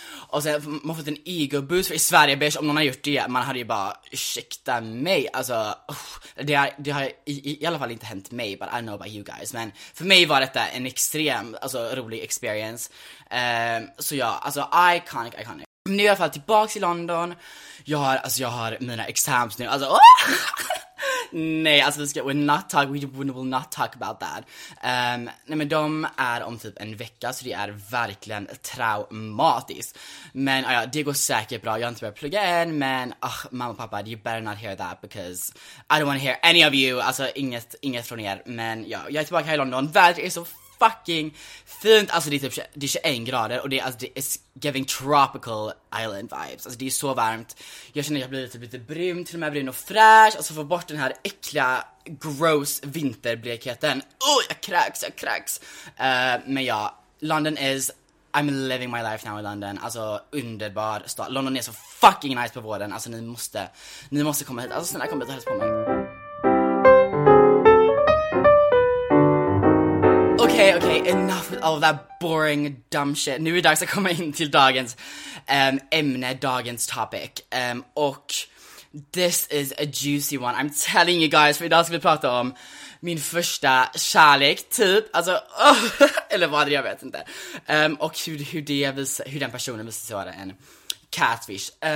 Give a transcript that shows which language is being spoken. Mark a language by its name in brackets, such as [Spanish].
[Swedish] Och sen man får en ego boost. För i Sverige, beige, om någon har gjort det, man hade ju bara, ursäkta mig. Alltså det har i alla fall inte hänt mig, [English] but I know about you guys. [Swedish] Men för mig var detta en extrem, alltså rolig experience. Så ja, alltså iconic. Nu är jag i alla fall tillbaka i London. Jag har mina exams nu. Alltså nej, alltså [English] we will not talk about that. [Swedish] Nej men de är om typ en vecka, så det är verkligen traumatiskt. Men ja, det går säkert bra. Jag har inte börjat plugga än, men mamma och pappa, [English] you better not hear that because I don't want to hear any of you. [Swedish] Alltså inget från er. Men ja, jag är tillbaka här i London. Världen är så fucking fint. Alltså det är typ, det är 21 grader och det är [English] giving tropical island vibes. [Swedish] Alltså det är så varmt. Jag känner att jag blir lite brun, till och med brun och fräsch. Alltså få bort den här äckliga gross vinterblekheten. [English] Oh, [Swedish] jag kräks. Men ja, [English] London is, I'm living my life now in London. [Swedish] Alltså underbar stad. London är så fucking nice på våren. Alltså ni måste komma hit. Alltså snälla, kom hit och hälsa på mig. [English] Okej, enough with all that boring dumb shit. [Swedish] Nu är det dags att komma in till dagens ämne, dagens topic. Och [English] this is a juicy one, I'm telling you guys. [Swedish] För idag ska vi prata om min första kärlek, typ. Alltså, eller vad det, jag vet inte. Och hur den personen visste sig vara en catfish.